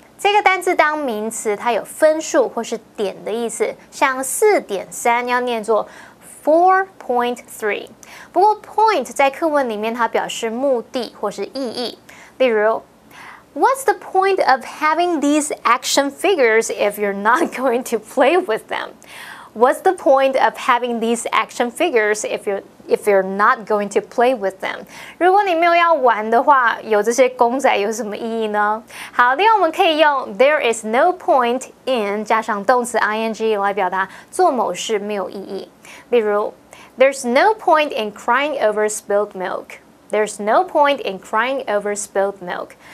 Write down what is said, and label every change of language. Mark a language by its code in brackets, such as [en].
[zh] 这个单字当名词，它有分数或是点的意思，像4.3要念作 4.3. 不过 point 在课文里面它表示目的或是意义。 [en] 例如What's the point of having these action figures if you're not going to play with them? What's the point of having these action figures if you're not going to play with them? [zh] 如果你没有要玩的话，有这些公仔有什么意义呢？好，另外我们可以用 [en] there is no point in [zh] 加上动词 ing 来表达做某事没有意义。 [en] 例如 ，There's no point in crying over spilled milk. There's no point in crying over spilled milk.